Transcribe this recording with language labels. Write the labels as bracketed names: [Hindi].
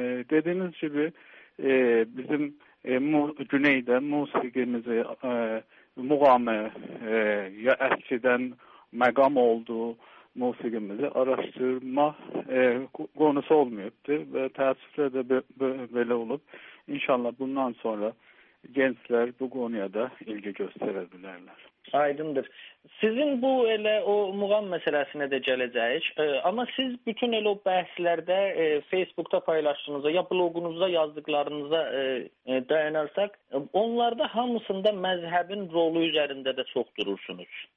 [Azerbaijani] Dediyiniz kimi bizim Güneydə musiqimizi muğamı ya eskiden məqam olduğu musiqimizi araştırma konusu olmayıbdır ve təəssüflər de belə olub. [Turkish] İnşallah bundan sonra gençler bu konuya da ilgi gösterebilirler. [Azerbaijani] Aydındır. Sizin bu elə o muğam məsələsinə də gələcəyik. Amma siz bütün elə o bəhslərdə Facebook'da paylaşdığınızda ya blogunuzda yazdıqlarınıza dayanarsak, onlarda hamısında məzhəbin rolu üzərində də çox durursunuz.